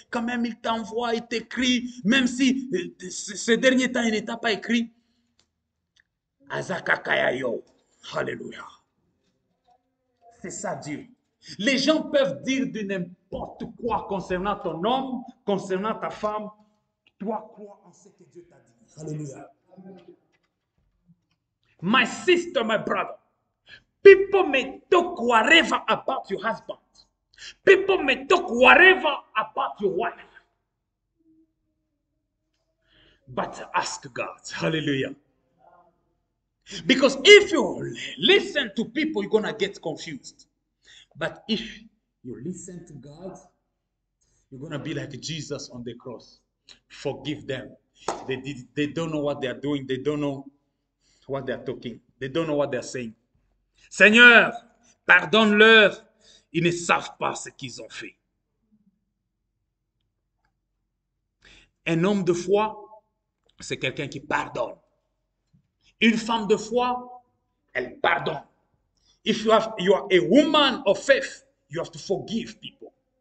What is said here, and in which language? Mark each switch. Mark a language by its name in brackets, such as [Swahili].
[French] Quand même, il t'envoie, il t'écrit, même si ces derniers temps, il ne t'a pas écrit. Azakakayayo, alléluia. C'est ça Dieu. Les gens peuvent dire de n'importe quoi concernant ton homme, concernant ta femme. Toi, crois en ce que Dieu t'a dit. Alléluia. [English] My sister, my brother, people may talk whatever about your husband. People may talk whatever about your wife. But ask God. Alléluia. Because if you listen to people, you're going to get confused. But if you listen to God, you're going to be like Jesus on the cross. Forgive them. They don't know what they are doing. They don't know what they are talking. They don't know what they are saying. [French] Seigneur, pardonne-leur. Ils ne savent pas ce qu'ils ont fait. Un homme de foi, c'est quelqu'un qui pardonne. Une femme de foi, elle pardonne. [English] If you are a woman of faith, you have to forgive people.